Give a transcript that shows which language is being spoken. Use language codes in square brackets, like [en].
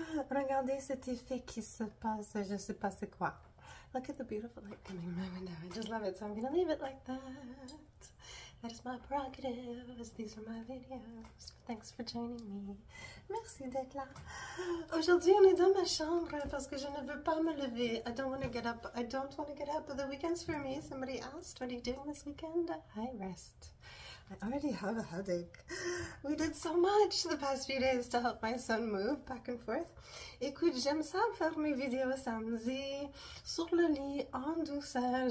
[fr] Regardez cet effet qui se passe, je sais pas c'est quoi. [en] Look at the beautiful light coming my window. I just love it, so I'm gonna leave it like that. That is my prerogative, as these are my videos. Thanks for joining me. [fr] Merci d'être là. Aujourd'hui, on est dans ma chambre parce que je ne veux pas me lever. [en] I don't want to get up. I don't want to get up. The weekend's for me. Somebody asked, what are you doing this weekend? I rest. I already have a headache. We did so much the past few days to help my son move back and forth. [fr] Écoute, j'aime ça faire mes vidéos samedi sur le lit en douceur.